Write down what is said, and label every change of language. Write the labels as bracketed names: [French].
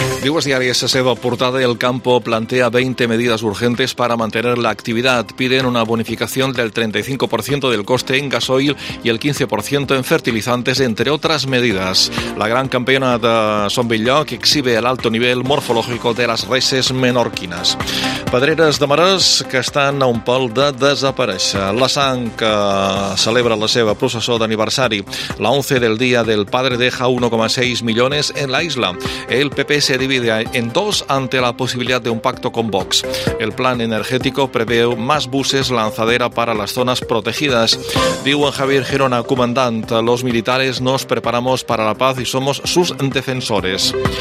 [Spanish] Dios Diario, se seva portada y el campo plantea 20 medidas urgentes para mantener la actividad. Piden una bonificación del 35% del coste en gasoil y el 15% en fertilizantes, entre otras medidas. La gran campeona de Son Bitlloc exhibe el alto nivel morfológico de las reses menorquinas. [Catalan] Pedreres de Marès que estan a un pal de desaparèixer. La Sang que celebra la seva processó d'aniversari. [Spanish] La 11 del dia del padre deja 1,6 millones en la isla. El PP se divide en dos ante la posibilidad de un pacto con Vox. El plan energético prevé más buses lanzadera para las zonas protegidas. Diuen Javier Gerona, comandante, los militares nos preparamos para la paz y somos sus defensores.